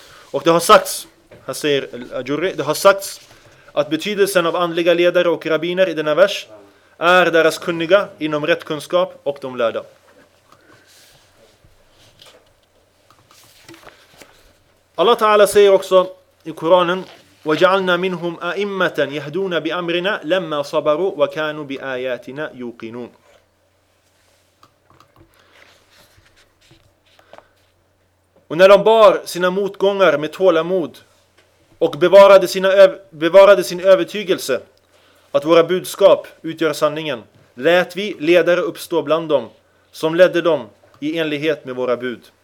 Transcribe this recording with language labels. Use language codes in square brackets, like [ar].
[sv] Och det har sagts, här säger Al-Jurri, det har sagts att betydelsen av andliga ledare och rabbiner i denna vers är deras kunniga inom rätt kunskap och de lärda. Allah Ta'ala säger också i Koranen: [ar] وَجَعَلْنَا مِنْهُمْ أَئِمَّةً يَهْدُونَ بِأَمْرِنَا لَمَّا صَبَرُوا وَكَانُوا بِآيَاتِنَا يُوقِنُونَ. [sv] Och när de bar sina motgångar med tålamod och bevarade sin övertygelse att våra budskap utgör sanningen, lät vi ledare uppstå bland dem som ledde dem i enlighet med våra bud.